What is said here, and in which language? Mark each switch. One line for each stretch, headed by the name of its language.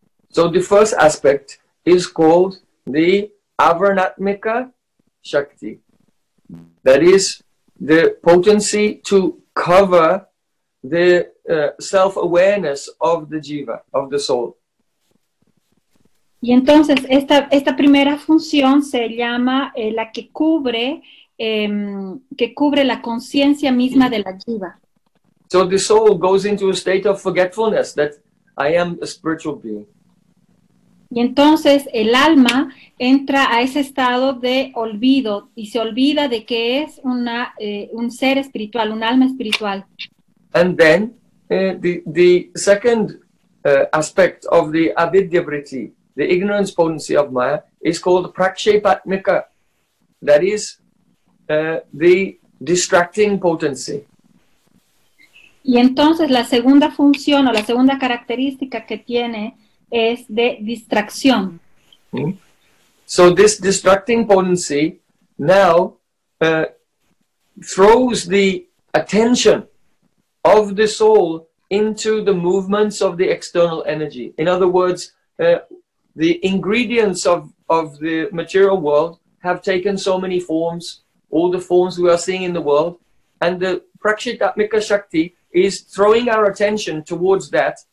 English: So the first aspect is called the avarnatmika shakti. That is the potency to cover the self-awareness of the jiva, of the soul.
Spanish: Y entonces, esta primera función se llama la que cubre la conciencia misma de la jiva.
English: So the soul goes into a state of forgetfulness that I am a spiritual being.
Spanish: Y entonces el alma entra a ese estado de olvido y se olvida de que es un ser espiritual, un alma espiritual.
English: And then the second aspect of the avidyavritti, the ignorance potency of Maya, is called prakshepatmika. That is the distracting potency. Y entonces la segunda función o la segunda característica que tiene es de distracción. So this distracting potency now throws the attention of the soul into the movements of the external energy. In other words, the ingredients of the material world have taken so many forms, all the forms we are seeing in the world, and the prakshitatmika shakti is throwing our attention towards that.